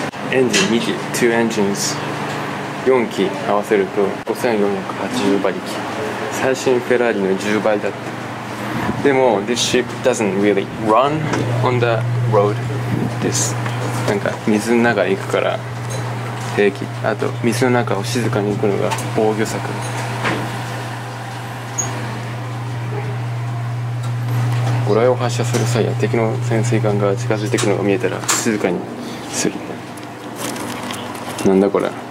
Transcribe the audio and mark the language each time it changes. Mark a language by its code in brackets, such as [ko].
[ja] エンジン2機、2エンジン4機合わせると5480馬力。最新フェラーリの10倍だった。でも、 [en] this ship doesn't really run on the road. [ja] です。なんか水の中行くから平気。あと水の中を静かに行くのが防御策。魚雷を発射する際や敵の潜水艦が近づいてくるのが見えたら静かにする。なんだこれ。